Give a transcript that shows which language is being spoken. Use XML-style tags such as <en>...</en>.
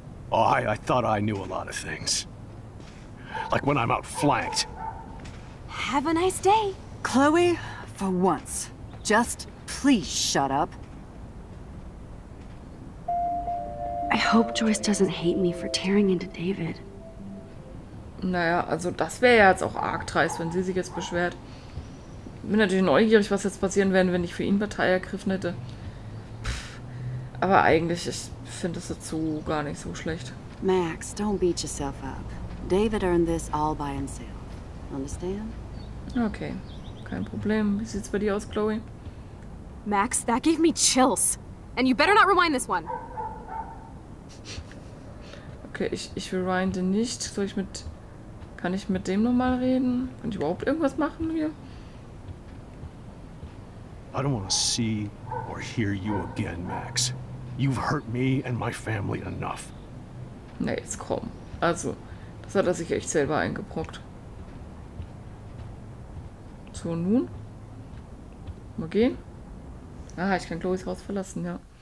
<en>Oh, I thought I knew a lot of things. Like when I'm out flanked. Have a nice day. Chloe, for once, just please shut up. I hope Joyce doesn't hate me for tearing into David.</en> <de>Naja, also das wäre ja jetzt auch arg dreist, wenn sie sich jetzt beschwert. Bin natürlich neugierig, was jetzt passieren wäre, wenn ich für ihn Partei ergriffen hätte. Pff, aber eigentlich, ich finde es dazu gar nicht so schlecht.</de> <en>Max, don't beat yourself up. David earned this all by himself. Understand?</en> <de>Okay, kein Problem. Wie sieht's bei dir aus, Chloe?</de> <en>Max, that gave me chills. And you better not rewind this one.</en> <de>Okay, ich rewinde nicht. Kann ich mit dem nochmal reden? Kann ich überhaupt irgendwas machen hier?</de> <en>I don't want to see or hear you again, Max. You've hurt me and my family enough.</en> <de>Na, jetzt komm. Also, das hat er sich echt selber eingebrockt. So, nun? Mal gehen? Ah, ich kann Chloes Haus verlassen, ja.</de>